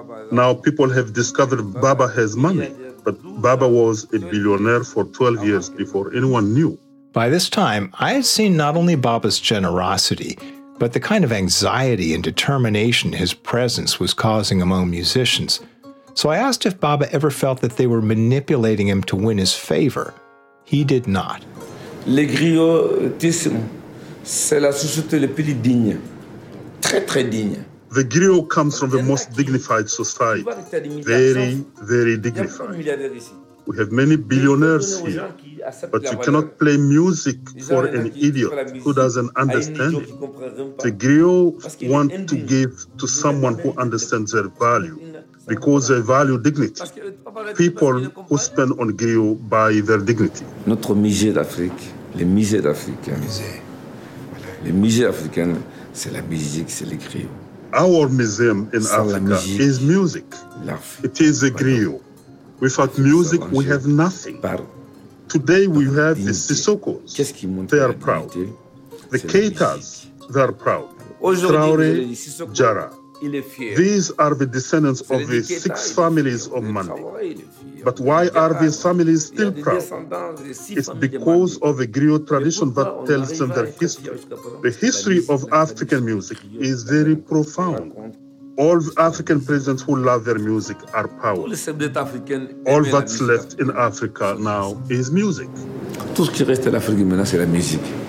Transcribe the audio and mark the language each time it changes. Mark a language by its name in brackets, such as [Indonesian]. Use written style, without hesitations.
[English] Now people have discovered Baba has money, but Baba was a billionaire for 12 years before anyone knew. By this time, I had seen not only Baba's generosity, but the kind of anxiety and determination his presence was causing among musicians. So I asked if Baba ever felt that they were manipulating him to win his favor. He did not. [French] Le griotisme, c'est la société la plus digne. Très, très digne. [English] The griot comes from the most dignified society. Very, very dignified. We have many billionaires here, but you cannot play music for an idiot who doesn't understand it. The griot want to give to someone who understands their value, because they value dignity. People who spend on griot buy their dignity. [French] Notre musée d'Afrique, les musées d'Afrique, musée. Les musées africains, c'est la musique, c'est les griots. [English] Our museum in Africa is music. It is a griot. Without music, we have nothing. Today, we have the Sissokos. They are proud. The Keitas, they are proud. Traoré, Jara. These are the descendants of the six families of Mandé. But why are these families still proud? It's because of a griot tradition that tells them their history. The history of African music is very profound. All the African presidents who love their music are proud. All that's left in Africa now is music. [French] Tout ce qui reste en Afrique maintenant, c'est la musique.